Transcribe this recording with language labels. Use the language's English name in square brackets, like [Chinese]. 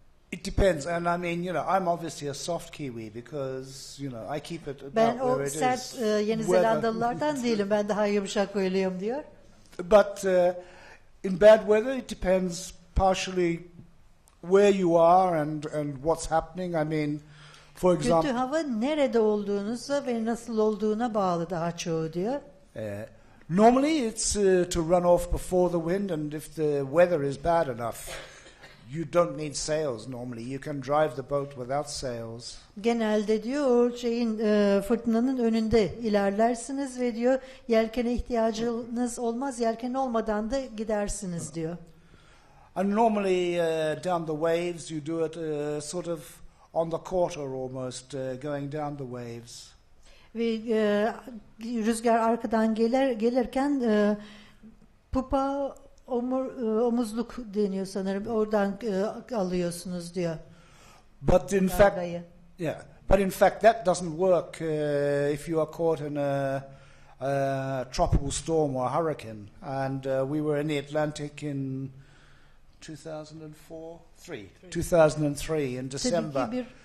[English] It depends, and I mean, you know, I'm obviously a soft Kiwi because, you know, I keep it about where it is. [Turkish] Ben o sert Yeni Zelandalılardan değilim, ben daha yumuşak koyuluyum diyor. [English] But in bad weather, it depends partially where you are and what's happening. I mean, for example, [Turkish] kötü hava nerede olduğunuza ve nasıl olduğuna bağlı daha çoğu diyor. [English] Normally, it's to run off before the wind, and if the weather is bad enough, you don't need sails normally. You can drive the boat without sails. [Turkish] Genelde diyor şeyin fırtınanın önünde ilerlersiniz ve diyor yelkene ihtiyacınız olmaz. Yelken olmadan da gidersiniz diyor. [English] And normally down the waves you do it sort of on the quarter almost going down the waves. [Turkish] Ve rüzgar arkadan gelirken pupa omuzluk deniyor sanırım. Oradan alıyorsunuz diyor. [English] But in fact, yeah. But in fact, that doesn't work if you are caught in a tropical storm or a hurricane. And we were in the Atlantic in 2003 in December.